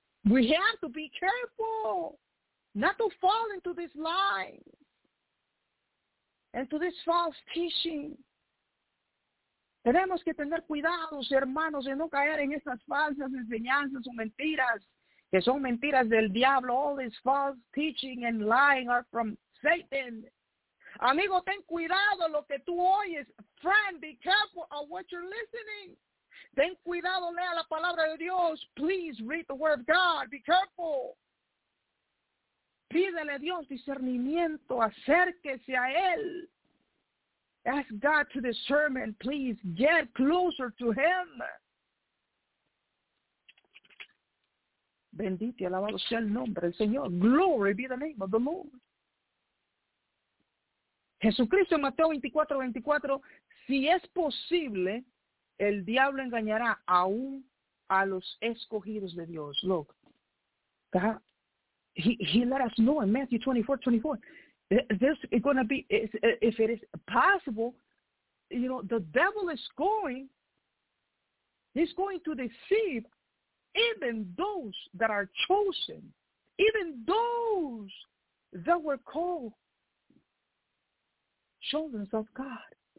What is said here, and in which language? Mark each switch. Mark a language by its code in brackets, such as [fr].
[en] We have to be careful not to fall into this lie and to this false teaching. [es] Tenemos que tener cuidados, hermanos, de no caer en estas falsas enseñanzas o mentiras, que son mentiras del diablo. [en] All this false teaching and lying are from Satan. [es] Amigo, ten cuidado lo que tú oyes. [en] Friend, be careful of what you're listening. [es] Ten cuidado, lea la palabra de Dios. [en] Please read the word of God. Be careful. [es] Pídele a Dios discernimiento. Acérquese a Él. [en] Ask God to discern. Please get closer to Him. [es] Bendito y alabado sea el nombre del Señor. [en] Glory be the name of the Lord. [es] Jesucristo en Mateo 24:24. Si es posible, el diablo engañará aún a los escogidos de Dios. [en] Look, God, he let us know in Matthew 24:24. This is going to be, if it is possible, you know, the devil is going, he's going to deceive even those that are chosen, even those that were called children of God.